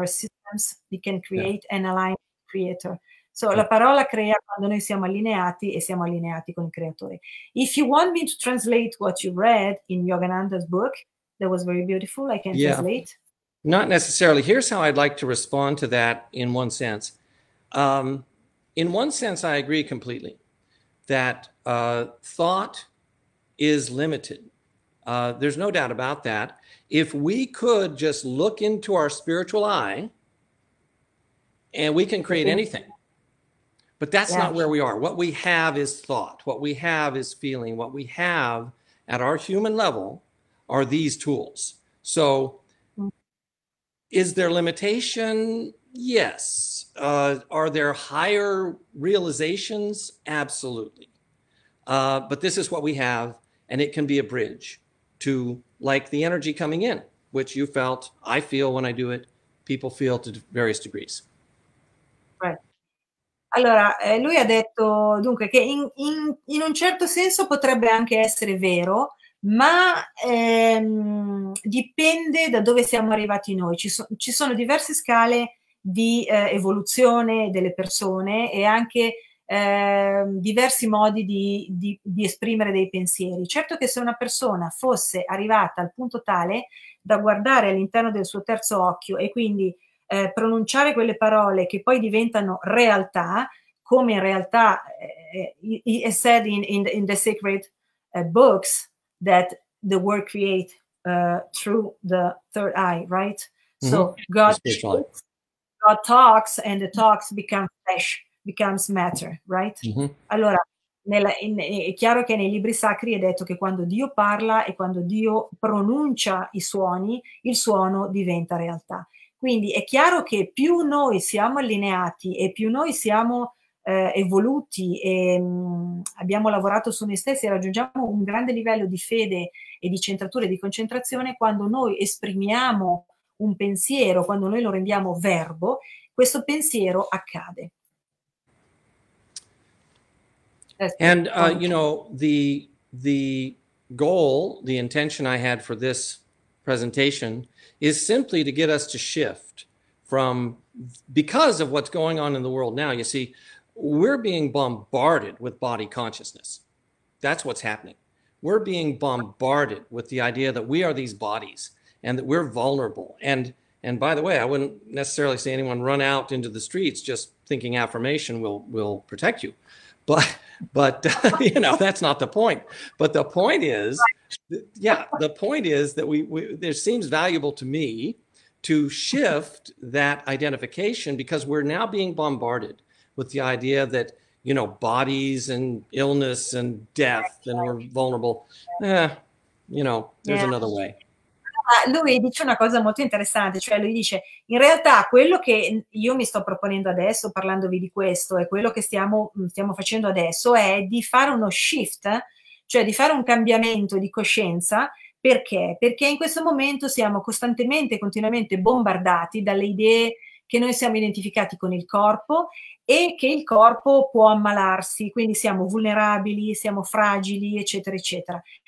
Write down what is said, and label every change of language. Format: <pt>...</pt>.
<en>your systems, you can create yeah. and align with the creator. So yeah.</en> <it>La parola crea quando noi siamo allineati e siamo allineati con il creatore.</it> <en>If you want me to translate what you read in Yogananda's book, that was very beautiful, I can yeah. translate. Not necessarily. Here's how I'd like to respond to that in one sense. In one sense, I agree completely that thought is limited. There's no doubt about that. If we could just look into our spiritual eye and we can create anything, but that's yeah. not where we are. What we have is thought. What we have is feeling. What we have at our human level are these tools. So, is there limitation? Yes. Are there higher realizations? Absolutely. But this is what we have, and it can be a bridge to, like, the energy coming in, which you felt, I feel when I do it, people feel to various degrees. Right.</en> <it>Allora, lui ha detto, dunque, che in un certo senso potrebbe anche essere vero, ma dipende da dove siamo arrivati noi. Ci sono diverse scale di evoluzione delle persone e anche diversi modi di esprimere dei pensieri. Certo che se una persona fosse arrivata al punto tale da guardare all'interno del suo terzo occhio e quindi pronunciare quelle parole che poi diventano realtà, come in realtà è</it> <en>said in the sacred books, that the word create through the third eye, right? Mm-hmm. So God speaks, God talks, and the talks become flesh, becomes matter, right? Mm-hmm.</en> <it>Allora, è chiaro che nei libri sacri è detto che quando Dio parla e quando Dio pronuncia i suoni, il suono diventa realtà. Quindi è chiaro che più noi siamo allineati e più noi siamo evoluti e abbiamo lavorato su noi stessi e raggiungiamo un grande livello di fede e di centratura e di concentrazione, quando noi esprimiamo un pensiero, quando noi lo rendiamo verbo, questo pensiero accade.</it> <en>And you know, the goal, the intention I had for this presentation is simply to get us to shift from, because of what's going on in the world now, you see, we're being bombarded with body consciousness. That's what's happening. We're being bombarded with the idea that we are these bodies and that we're vulnerable. And by the way, I wouldn't necessarily say anyone run out into the streets just thinking affirmation will protect you. But you know, that's not the point. But the point is, that there seems valuable to me to shift that identification, because we're now being bombarded with the idea that, you know, bodies and illness and death, and we're vulnerable. Eh, you know, there's another way.</en> <it>lui dice una cosa molto interessante, cioè lui dice, in realtà quello che io mi sto proponendo adesso, parlandovi di questo, e quello che stiamo facendo adesso è di fare uno shift, cioè di fare un cambiamento di coscienza. Perché? Perché in questo momento siamo costantemente, continuamente bombardati dalle idee che noi siamo identificati con il corpo e che il corpo può ammalarsi, quindi siamo vulnerabili, siamo fragili, eccetera, eccetera.</it>